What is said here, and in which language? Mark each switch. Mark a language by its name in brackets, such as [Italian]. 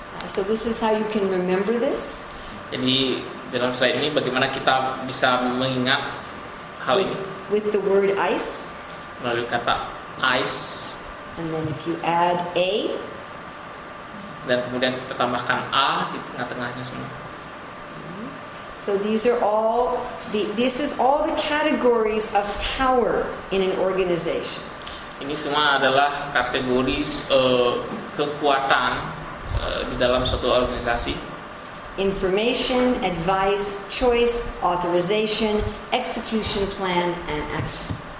[English] So this is how you can remember this. [Indonesian] Jadi dalam slide ini bagaimana kita bisa mengingat hal ini? [English] With the word ice. [Indonesian] Melalui kata ice. [English] And then if you add a. [Indonesian] Dan kemudian kita tambahkan a di tengah-tengahnya semua. [English] So these are all this is all the categories of power in an organization. [Indonesian] Ini semua adalah kategori kekuatan di dalam suatu organisasi. [English] Information, advice, choice, authorization, execution plan, and action.